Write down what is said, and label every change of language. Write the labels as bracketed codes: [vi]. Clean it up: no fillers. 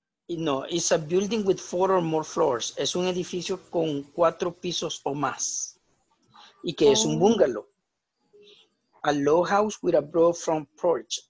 [en] No, it's a building with four or more floors. [es] Es un edificio con cuatro pisos o más. ¿Y qué es un bungalow? [en] A low house with a broad front porch.